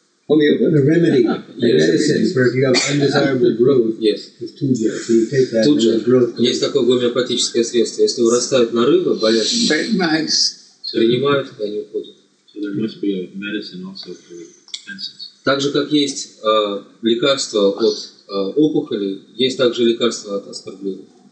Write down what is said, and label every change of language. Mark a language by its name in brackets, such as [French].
[English] The remedy, medicine, for if you have undesirable growth, yes. Is tuja. So you take that tuja. And the growth comes. [Russian] Есть такое гомеопатическое средство. Если вырастают нарывы, болят. Принимают, они уходят. [English] So there must be a medicine also for fences. [Russian] Так же, как есть лекарство от опухоли, есть также лекарство от оскорблений.